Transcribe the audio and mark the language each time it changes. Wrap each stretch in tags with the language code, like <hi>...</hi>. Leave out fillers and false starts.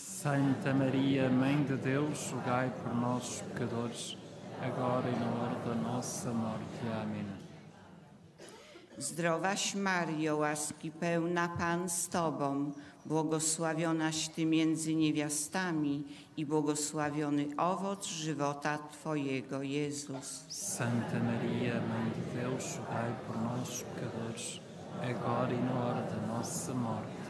<pt>Santa Maria, Mãe de Deus, rogai por nós, pecadores, agora e na hora da nossa morte. Amém.</pt> <pl>Zdrowaś Mario, łaski pełna, Pan z Tobą, błogosławionaś Ty między niewiastami i błogosławiony owoc żywota Twojego, Jezus.</pl> <pt>Santa Maria, Mãe de Deus, rogai por nós, pecadores, agora e na hora da nossa morte.</pt>